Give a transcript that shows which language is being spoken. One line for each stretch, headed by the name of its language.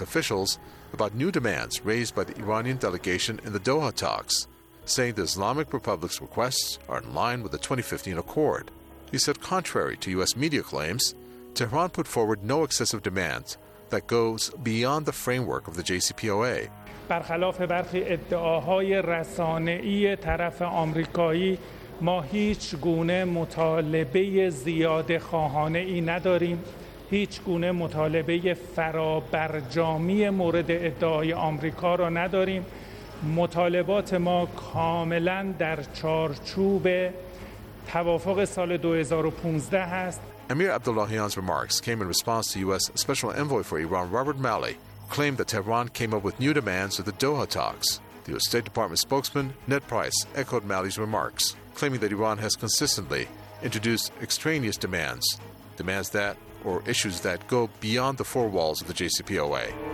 English: officials about new demands raised by the Iranian delegation in the Doha talks, saying the Islamic Republic's requests are in line with the 2015 accord. He said, contrary to U.S. media claims, Tehran put forward no excessive demands that goes beyond the framework of the JCPOA.
Persian: برخلاف برخی ادعاهای رسانه‌ای طرف آمریکایی ما هیچ گونه مطالبه زیاده خواهانه ای نداریم هیچ گونه مطالبه فرابرجامی مورد ادعای آمریکا را نداریم مطالبات ما کاملا در چارچوب توافق سال 2015 است.
English: Amir Abdollahian's remarks came in response to U.S. Special Envoy for Iran Robert Malley, who claimed that Tehran came up with new demands at the Doha talks. The U.S. State Department spokesman, Ned Price, echoed Malley's remarks, claiming that Iran has consistently introduced extraneous demands, demands that, or issues that, go beyond the four walls of the JCPOA.